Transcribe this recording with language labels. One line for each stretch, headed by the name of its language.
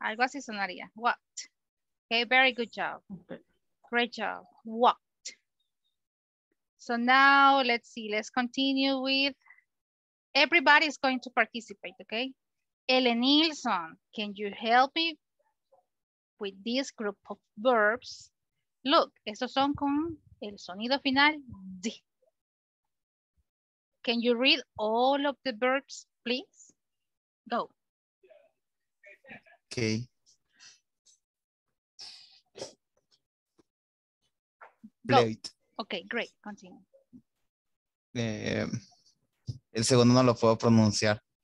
Spanish: Algo así sonaría.
English: Walked. Okay, very good job. Great job. Walked. So now let's see, let's continue with, everybody is going to participate, okay? Ellen Nilsson, can you help me with this group of verbs?
Spanish: Look, estos son con el sonido final, D.
English: Can you read all of the verbs, please? Go. Okay. Blade. Okay, great. Continue.
Spanish: El segundo no lo puedo pronunciar.